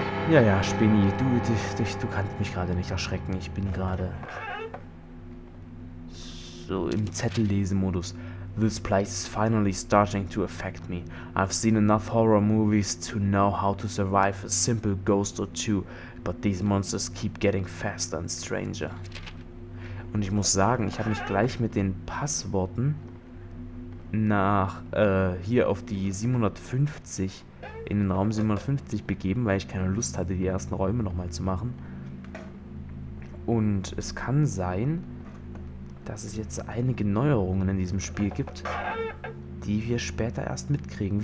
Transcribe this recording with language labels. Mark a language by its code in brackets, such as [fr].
[de] Ja, ja, Spinny, du kannst mich gerade nicht erschrecken. Ich bin gerade so im Zettellesemodus. [en] This place is finally starting to affect me. I've seen enough horror movies to know how to survive a simple ghost or two, but these monsters keep getting faster and stranger. [de] Und ich muss sagen, ich habe mich gleich mit den Passworten nach hier auf die 750 in den Raum 750 begeben, weil ich keine Lust hatte, die ersten Räume nochmal zu machen. Und es kann sein, dass es jetzt einige Neuerungen in diesem Spiel gibt, die wir später erst mitkriegen.